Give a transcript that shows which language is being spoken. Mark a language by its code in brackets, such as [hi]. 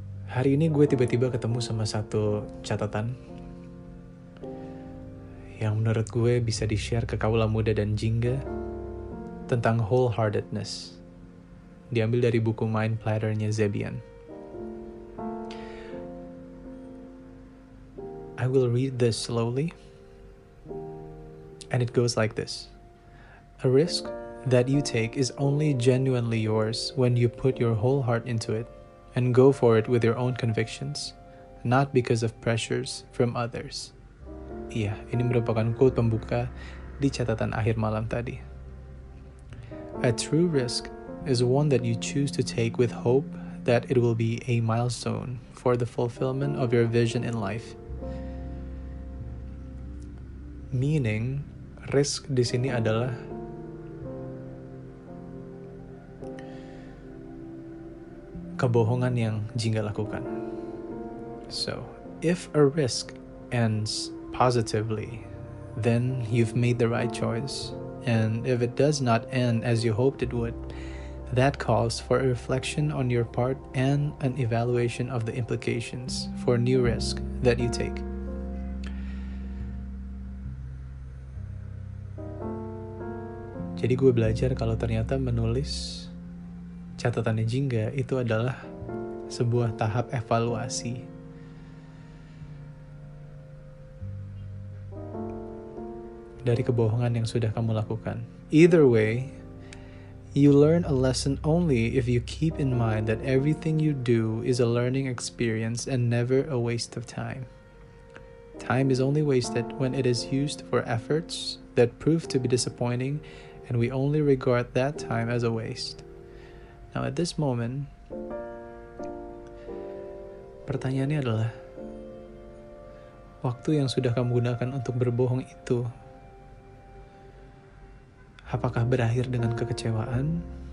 [id] Hari ini gue tiba-tiba ketemu sama satu catatan yang menurut gue bisa di-share ke kaula muda dan Jingga tentang wholeheartedness, diambil dari buku Mind Platter-nya Zebian. [en] I will read this slowly, and it goes like this. A risk that you take is only genuinely yours when you put your whole heart into it and go for it with your own convictions, not because of pressures from others. [id] Yeah, ini merupakan quote pembuka di catatan akhir malam tadi. [en] A true risk is one that you choose to take with hope that it will be a milestone for the fulfillment of your vision in life. [id] Meaning, risk di sini adalah kebohongan yang Jingga lakukan. [en] So, if a risk ends positively, then you've made the right choice. And if it does not end as you hoped it would, that calls for a reflection on your part and an evaluation of the implications for new risk that you take. [id] Jadi gue belajar kalau ternyata menulis catatan jingga itu adalah sebuah tahap evaluasi. Dari kebohongan yang sudah kamu lakukan. [en] Either way, you learn a lesson only if you keep in mind that everything you do is a learning experience and never a waste of time. Time is only wasted when it is used for efforts that prove to be disappointing, and we only regard that time as a waste. Now at this moment, [id] pertanyaannya adalah, waktu yang sudah kamu gunakan untuk berbohong itu, apakah berakhir dengan kekecewaan?